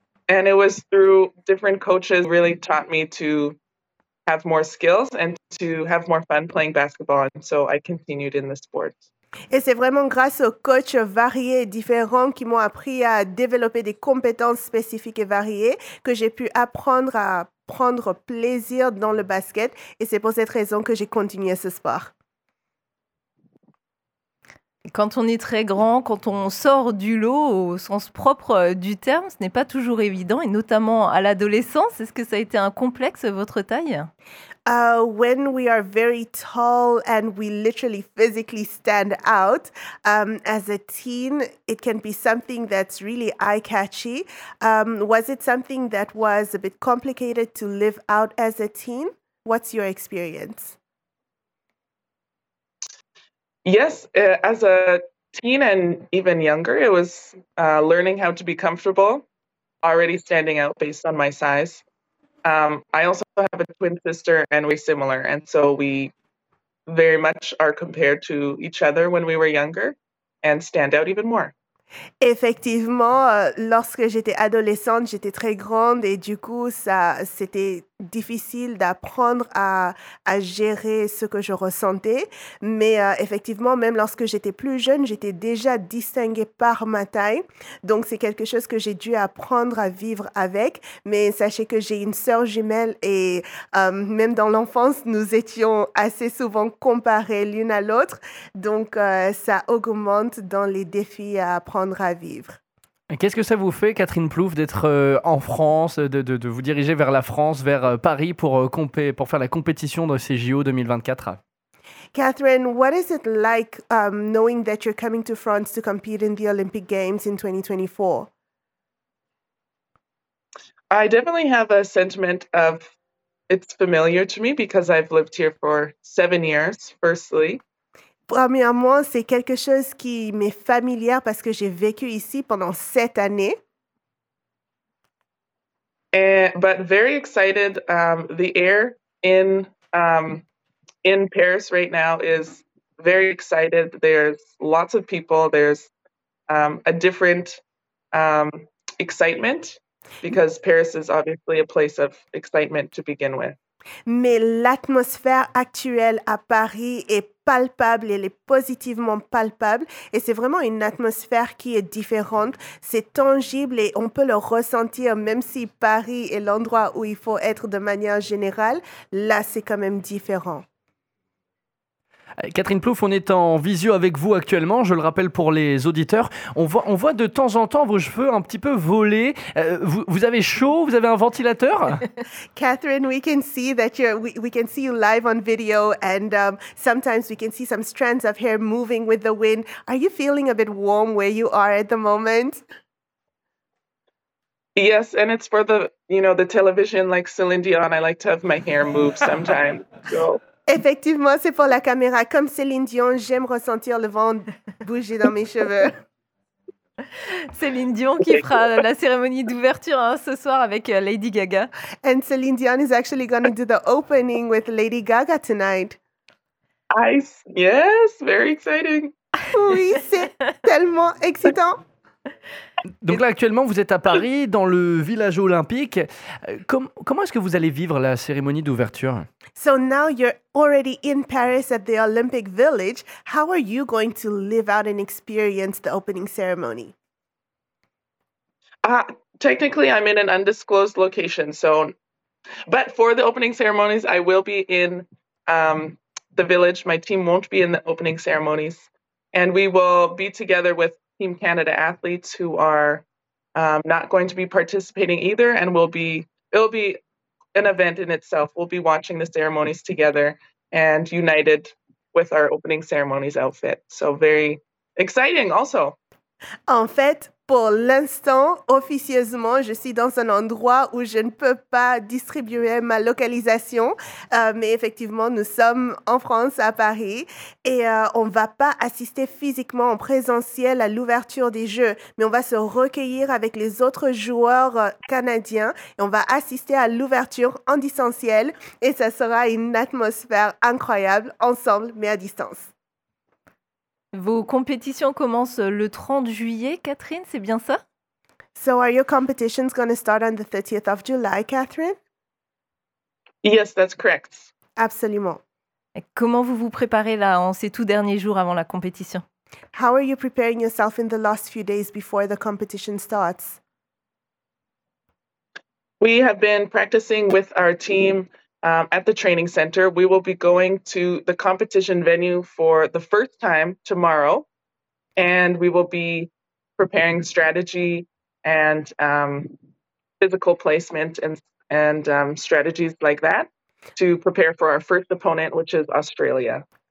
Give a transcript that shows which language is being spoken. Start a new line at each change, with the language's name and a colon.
English: And it was through different coaches really taught me to have more skills and to have more fun playing basketball. And so I continued in the sports.
French: Et c'est vraiment grâce aux coachs variés et différents qui m'ont appris à développer des compétences spécifiques et variées que j'ai pu apprendre à prendre plaisir dans le basket. Et c'est pour cette raison que j'ai continué ce sport. Quand on est très grand, quand on sort du lot au sens propre du terme, ce n'est pas toujours évident, et notamment à l'adolescence. Est-ce que ça a été un complexe, votre taille?
English: When we are very tall and we literally physically stand out, as a teen, it can be something that's really eye-catchy. Was it something that was a bit complicated to live out as a teen? What's your experience? Yes, as a teen and even younger, it was learning how to be comfortable, already standing out based on my size. I also have a twin sister and we're similar. And so we very much are compared to each other when we were younger and stand out even more.
French: Effectivement, lorsque j'étais adolescente, j'étais très grande et du coup, ça, c'était difficile d'apprendre à gérer ce que je ressentais. Mais effectivement, même lorsque j'étais plus jeune, j'étais déjà distinguée par ma taille. Donc, c'est quelque chose que j'ai dû apprendre à vivre avec. Mais sachez que j'ai une sœur jumelle et même dans l'enfance, nous étions assez souvent comparées l'une à l'autre. Donc, ça augmente dans les défis à apprendre à vivre. Qu'est-ce que ça vous fait, Catherine Plouffe, d'être en France, de vous diriger vers la France, vers Paris pour faire la compétition de ces JO 2024?
English: Catherine, what is it like knowing that you're coming to France to compete in the Olympic Games in 2024? I definitely have a sentiment of it's familiar to me because I've lived here for 7 years, firstly.
French: Premièrement, c'est quelque chose qui m'est familière parce que j'ai vécu ici pendant 7 années.
English: But very excited. The air in Paris right now is very excited. There's lots of people. There's a different excitement because Paris is obviously a place of excitement to begin with.
French: Mais l'atmosphère actuelle à Paris est palpable, elle est positivement palpable et c'est vraiment une atmosphère qui est différente. C'est tangible et on peut le ressentir même si Paris est l'endroit où il faut être de manière générale. Là, c'est quand même différent. Catherine Plouffe, on est en visio avec vous actuellement, je le rappelle pour les auditeurs. On voit de temps en temps vos cheveux un petit peu voler. Vous avez chaud? Vous avez un ventilateur?
English: Catherine, we can see that we can see you live on video and sometimes we can see some strands of hair moving with the wind. Are you feeling a bit warm where you are at the moment? Yes, and it's for the, you know, the television, like Celine Dion. I like to have my hair move sometimes.
French: Effectivement, c'est pour la caméra. Comme Céline Dion, j'aime ressentir le vent bouger dans mes cheveux. Céline Dion qui fera la cérémonie d'ouverture hein, ce soir avec Lady Gaga.
English: And Céline Dion is actually going to do the opening with Lady Gaga tonight. Yes, very exciting.
French: Oui, c'est tellement excitant. Donc là, actuellement, vous êtes à Paris, dans le village olympique. Comment est-ce que vous allez vivre la cérémonie d'ouverture?
English: So now you're already in Paris at the Olympic Village. How are you going to live out and experience the opening ceremony? Technically, I'm in an undisclosed location. So, but for the opening ceremonies, I will be in the village. My team won't be in the opening ceremonies. And we will be together with Team Canada athletes who are not going to be participating either, and it'll be an event in itself. We'll be watching the ceremonies together and united with our opening ceremonies outfit. So very exciting also.
French: En fait, pour l'instant, officieusement, je suis dans un endroit où je ne peux pas distribuer ma localisation. Mais effectivement, nous sommes en France, à Paris, et on ne va pas assister physiquement en présentiel à l'ouverture des Jeux. Mais on va se recueillir avec les autres joueurs canadiens et on va assister à l'ouverture en distanciel. Et ça sera une atmosphère incroyable, ensemble, mais à distance. Vos compétitions commencent le 30 juillet, Catherine, c'est bien ça?
English: So are your competitions going to start on the 30th of July, Catherine? Yes, that's correct.
French: Absolument. Comment vous vous préparez là en ces tout derniers jours avant la compétition?
English: How are you preparing yourself in the last few days before the competition starts? We have been practicing with our team at the training center. We will be going to the competition venue for the first time tomorrow, and we will be preparing strategy and physical placement and strategies like that to prepare for our first opponent, which is Australia.